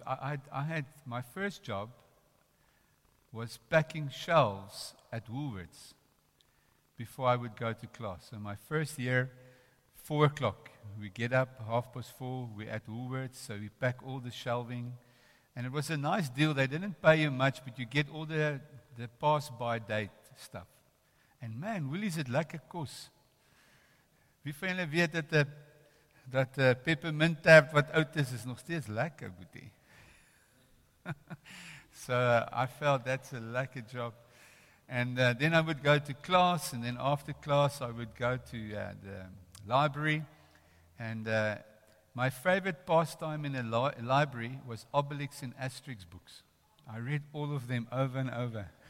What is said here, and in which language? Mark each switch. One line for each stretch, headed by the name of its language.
English: I had my first job was packing shelves at Woolworths before I would go to class. So my first year, 4 o'clock, we get up, 4:30, we're at Woolworths, so we pack all the shelving, and it was a nice deal. They didn't pay you much, but you get all the pass-by date stuff. And man, Willie's it like a kos.
Afrikaans: Wie van julle weet dat dat peppermint tart wat oud is nog steeds lekker, boetie?
English: So I felt that's a lucky job. And then I would go to class, and then after class I would go to the library. And my favorite pastime in the library was Obelix and Asterix books. I read all of them over and over.